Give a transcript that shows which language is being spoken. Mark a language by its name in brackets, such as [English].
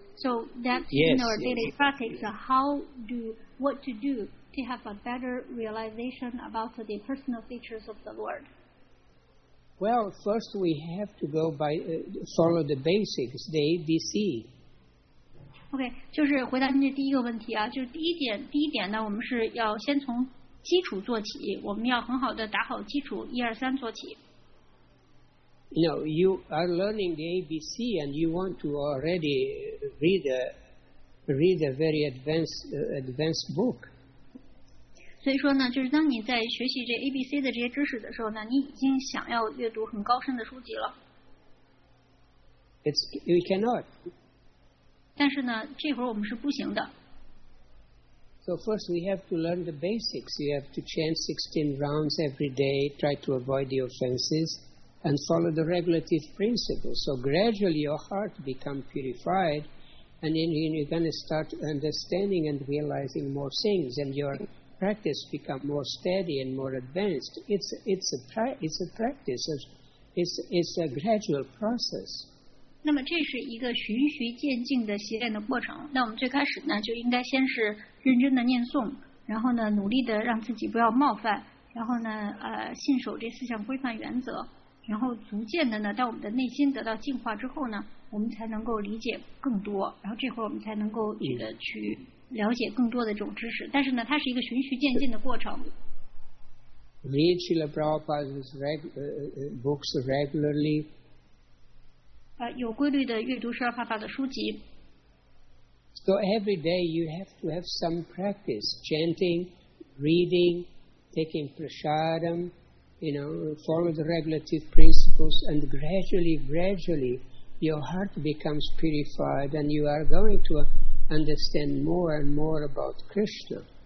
[English] So that's in our daily practice. Yes. What to do to have a better realization about the personal features of the Lord? Well, first we have to go by follow the basics, the ABC. [Chinese] Okay, 就是回答您的第一个问题啊，就是第一点呢，我们是要先从基础做起，我们要很好的打好基础，一二三做起。 [English] No, you are learning the ABC, and you want to already read a very advanced book. [Chinese] 所以说呢，就是当你在学习这 ABC 的这些知识的时候呢，你已经想要阅读很高深的书籍了。 [English] You cannot. [Chinese] 但是呢，这会儿我们是不行的。 [English] So first we have to learn the basics. You have to chant 16 rounds every day, try to avoid the offenses, and follow the regulative principles. So gradually your heart becomes purified, and then you're going to start understanding and realizing more things, and your practice becomes more steady and more advanced. It's a practice. It's a gradual process. [Chinese] 那么这是一个循序渐进的习练的过程。那我们最开始呢，就应该先是认真的念诵，然后呢，努力的让自己不要冒犯，然后呢，信守这四项规范原则，然后逐渐的呢，当我们的内心得到净化之后呢，我们才能够理解更多，然后这会儿我们才能够去了解更多的这种知识。但是呢，它是一个循序渐进的过程。 [English] Read Srila Prabhupada's books regularly. [Chinese] 有规律的阅读十二法的书籍。 [English] So every day you have to have some practice, chanting, reading, taking prasadam, you know, follow the regulative principles, and gradually, your heart becomes purified, and you are going to understand more and more about Krishna.